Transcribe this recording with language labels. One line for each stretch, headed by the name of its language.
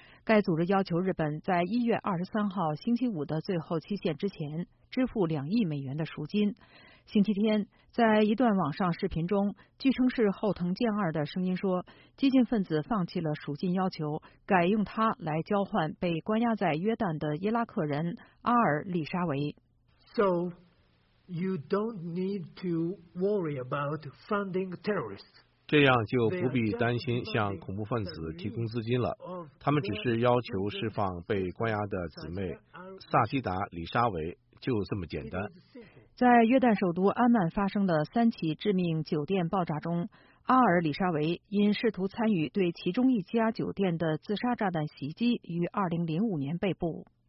Chinese: 该组织要求日本在1月23号星期五的最后期限之前支付2亿美元的赎金。星期天在一段网上视频中，据称是后藤健二的声音说，激进分子放弃了赎金要求，改用他来交换被关押在约旦的伊拉克人阿尔·里沙维。
English: So you don't need to worry about funding terrorists.
Chinese: 这样就不必担心向恐怖分子提供资金了，他们只是要求释放被关押的姊妹萨希达·里沙维，就这么简单。在约旦首都安曼发生的3起致命酒店爆炸中，阿尔·里沙维因试图参与对其中一家酒店的自杀炸弹袭击于2005年被捕。